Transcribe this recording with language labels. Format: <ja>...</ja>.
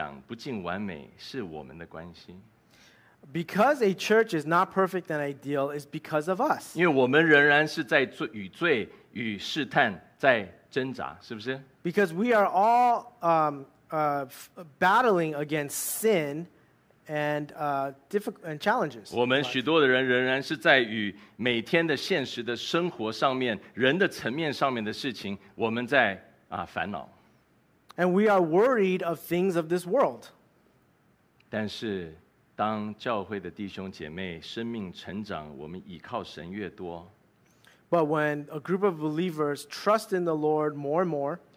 <zh>教会如今不尽理想,不尽完美,是我们的关系。</zh> <en>Because a church is not perfect and ideal, it's because of us.</en> <zh>因为我们仍然是在与罪与试探在挣扎,是不是?</zh> <en>Because we are all battling against sin and challenges.</en> <zh>我们许多的人仍然是在与每天的现实的生活上面，人的层面上面的事情，我们在烦恼。</zh> <en>And we are worried of things of this world.</en> <zh>但是当教会的弟兄姐妹生命成长，我们倚靠神越多。</zh> <en>But when a group of believers trust in the Lord more and more,</en>